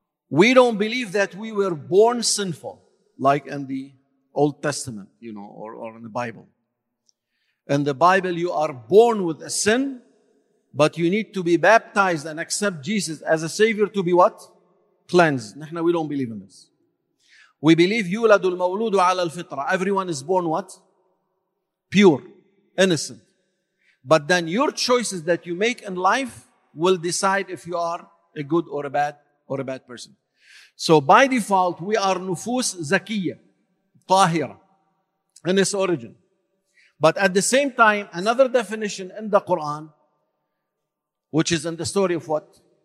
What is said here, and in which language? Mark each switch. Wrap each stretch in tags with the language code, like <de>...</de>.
<en>We don't believe that we were born sinful, like in the Old Testament, you know, or in the Bible. In the Bible, you are born with a sin, but you need to be baptized and accept Jesus as a savior to be what? Cleansed.</en> <ar>نحن,</ar> <en>we don't believe in this. We believe</en> <ar>يولد المولود على الفطرة.</ar> <en>Everyone is born what? Pure, innocent. But then your choices that you make in life will decide if you are a good or a bad person. So by default, we are</en> <ar>نفوس زكية, طاهرة,</ar> <en>in its origin. But at the same time, another definition in the Quran, which is in the story of what?</en>